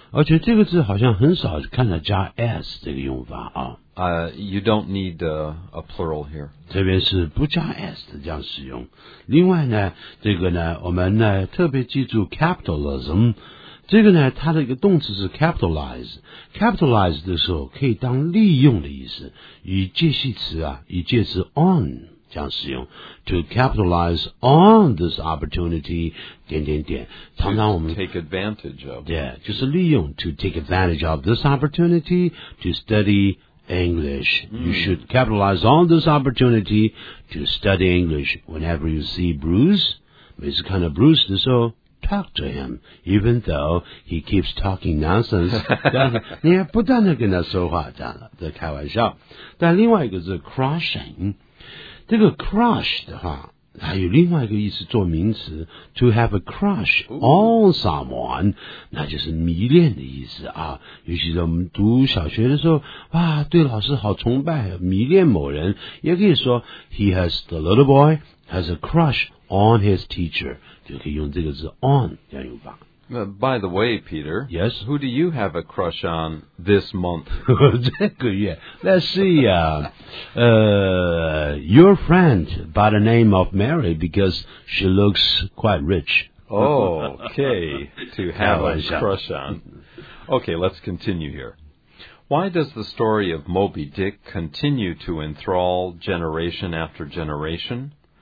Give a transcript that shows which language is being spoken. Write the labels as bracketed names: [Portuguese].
[Chinese] 而且这个字好像很少看到加 s 这个用法啊 [English] you don't need a plural here [Chinese] 特别是不加 s 的这样使用另外呢这个呢我们呢特别记住 capitalism 这个呢，它的一个动词是 capitalize，capitalize 的时候可以当利用的意思，与介词 on 这样使用 ， [English] to capitalize on this opportunity [Chinese] 点点点，常常我们 [English] take advantage of [Chinese] 对，就是利用 [English] to take advantage of this opportunity to study English. You should capitalize on this opportunity to study English whenever you see Bruce. [Chinese] 每次看到 Bruce 的时候。 [English] Talk to him, even though he keeps talking nonsense. [Chinese] 你还不断地跟他说话，这样的，在开玩笑。但另外一个字 crushing， 这个 crush 的话，还有另外一个意思，做名词 [English] to have a crush on someone， [Chinese] 那就是迷恋的意思啊。尤其是我们读小学的时候，哇，对老师好崇拜，迷恋某人，也可以说 [English] he has the little boy has a crush on his teacher。 [Chinese] 就可以用这个字 on 这样用法 [English] By the way, Peter Yes Who do you have a crush on this month? [Chinese] 这个月 [English] Let's see Your friend by the name of Mary Because she looks quite rich Okay To have a crush on Okay, let's continue here Why does the story of Moby Dick continue to enthrall generation after generation?